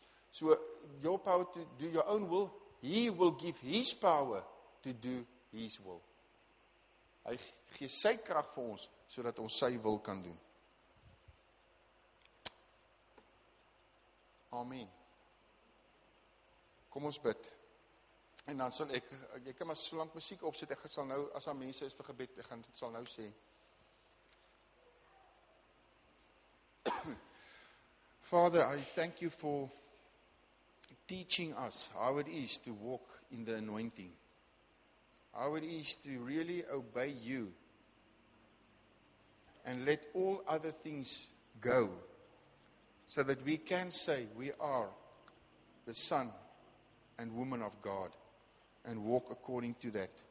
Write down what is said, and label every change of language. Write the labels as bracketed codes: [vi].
[en] So, your power to do your own will, he will give his power to do his will. [af] Hy gee sy krag vir ons, sodat ons sy wil kan doen. Amen. Kom ons bid. En dan sal ek, jy kan maar so lang musiek opsit, ek sal nou, as daar mense is vir gebed, ek sal nou sê. [en] Father, I thank you for teaching us how it is to walk in the anointing. How it is to really obey you and let all other things go so that we can say we are the son and woman of God and walk according to that.